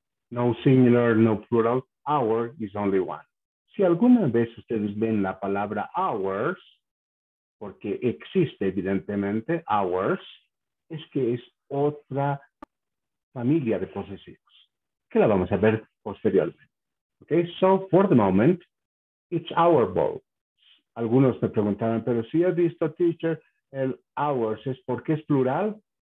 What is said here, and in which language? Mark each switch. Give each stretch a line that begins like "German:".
English: No singular, no plural. Our is only one.
Spanish: Si alguna vez ustedes ven la palabra ours, porque existe evidentemente ours, es que es otra familia de posesivos, que la vamos a ver posteriormente.
English: Okay, so for the moment, it's our ball.
Spanish: Algunos me preguntaron, pero si has visto, teacher, el ours, ¿es porque es plural?